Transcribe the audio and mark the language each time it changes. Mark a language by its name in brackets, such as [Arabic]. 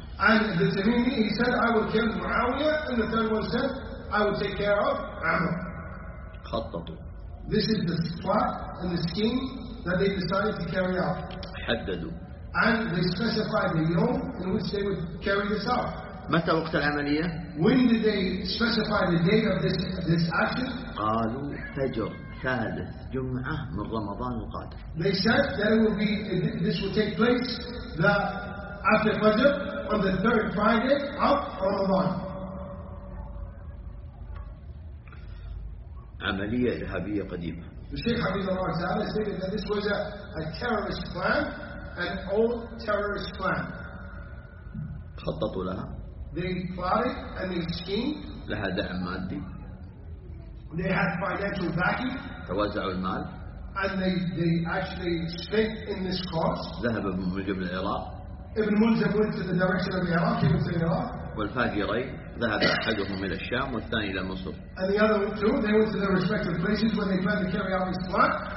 [English] And the Tamimi, he said, I will kill Muawiyah. And the third one said, I will take care of Umar. [Arabic] خططوا. [English] This is the plot and the scheme that they decided to carry out. [Arabic] حددوا. [English] And they specified the yom in which they would carry this out. [Arabic] متى وقت العملية؟ [English] When did they specify the date of this action? [Arabic] قالوا فجر ثالث جمعة من رمضان القادم. [English] They said that this will take place the after Fajr on the third Friday of Ramadan. [Arabic] عملية إرهابية قديمة. [English] The Sheikh [Arabic] حفظه الله تعالى [English] stated that this was a terrorist plan. An old terrorist plan. [Arabic] خططوا لها. [English] They plotted and they schemed. [Arabic] لها دعم مادي. [English] They had financial backing. [Arabic] توزعوا المال. [English] And they actually spent in this cause. [Arabic] ذهب ابن ملجم إلى العراق. [English] Ibn Mulzam went to the direction of Iraq. He went to Iraq. [Arabic] والفاجري ذهب أحدهم إلى الشام والثاني إلى مصر. [English] And the other two, they went to their respective places when they planned to carry out this plan.